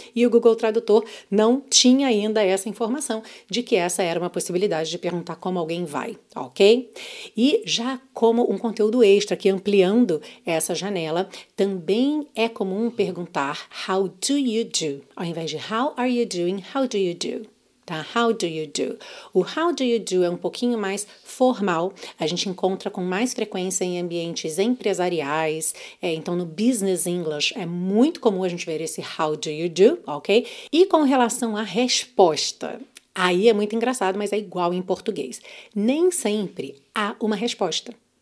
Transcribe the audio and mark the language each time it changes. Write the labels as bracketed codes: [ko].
[pt] E o Google Tradutor não tinha ainda essa informação de que essa era uma possibilidade de perguntar como alguém vai, ok? E já como um conteúdo extra, aqui ampliando essa janela, também é comum perguntar [en] how do you do? [pt] Ao invés de [en] how are you doing, how do you do? [pt] Tá? [en] How do you do? [pt] O how do you do é um pouquinho mais formal, a gente encontra com mais frequência em ambientes empresariais, então no business English é muito comum a gente ver esse how do you do, ok? E com relação à resposta, aí é muito engraçado, mas é igual em português, nem sempre há uma resposta.